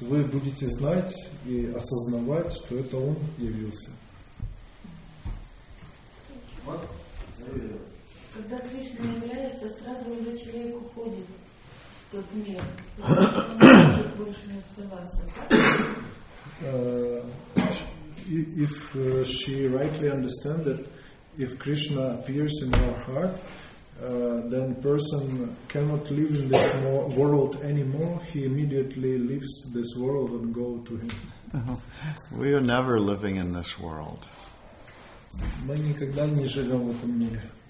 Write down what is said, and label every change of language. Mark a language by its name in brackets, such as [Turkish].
[Russian] Вы будете знать и осознавать, что это Он явился. Когда Кришна является, сразу уже человек уходит в тот мир. Он может больше не оставаться. [English] If she rightly understands that if Krishna appears in our heart, then person cannot live in this world anymore. He immediately leaves this world and go to Him. We are never living in this world. [Russian] Мы никогда не живем в этом мире.